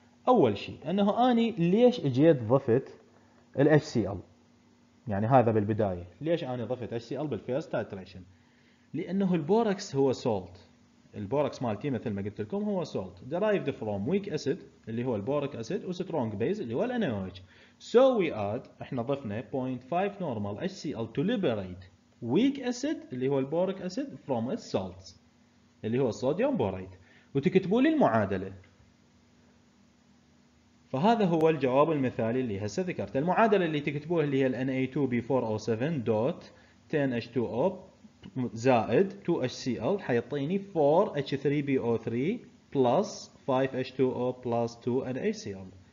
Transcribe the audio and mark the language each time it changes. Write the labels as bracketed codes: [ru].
[ar] اول شيء انه اني ليش اجيت ضفت ال HCl، يعني هذا بالبداية ليش أنا ضفت HCl بالفيرست تايتريشن؟ لأنه البوركس هو سولت، البوركس مالتي مثل ما قلت لكم هو سولت [en] derived from weak acid [ar] اللي هو البوريك acid و strong base اللي هو الـ NaOH. [en] So we add [ar] احنا ضفنا [en] 0.5 normal HCl to liberate weak acid [ar] اللي هو البوريك [en] acid from its salts [ar] اللي هو [en] sodium borate، [ar] وتكتبوا لي المعادلة. فهذا هو الجواب المثالي اللي هسه ذكرت. المعادلة اللي تكتبوها اللي هي الـ Na2B4O7.10H2O زائد 2HCl حيعطيني 4H3BO3 plus 5H2O plus 2NHCl.